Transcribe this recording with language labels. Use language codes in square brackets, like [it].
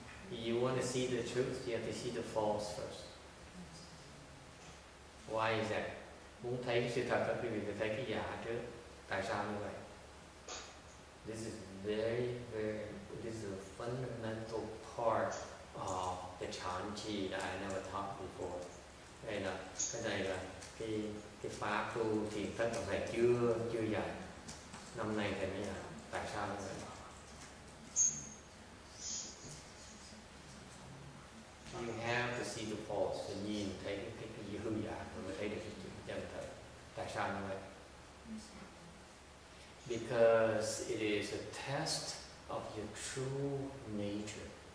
[en] You want to see the truth, you have to see the false first. Why is that? [vi] Muốn thấy sự thật thì quý vị phải thấy cái giả trước. Tại sao như vậy? [en] This is very, very, this is a fundamental part of the Chan Chi that I never talked before. [vi] Đây là, cái này là cái pháp tu thì tất cả phải chưa dạy. Năm nay thì mới dạy. Tại sao như vậy? [en] You have to see the false, [vi] the nhìn thấy cái gì hư giả, mới thấy được cái chân thật. Tại sao như vậy? [en] Because it is a test of your true nature.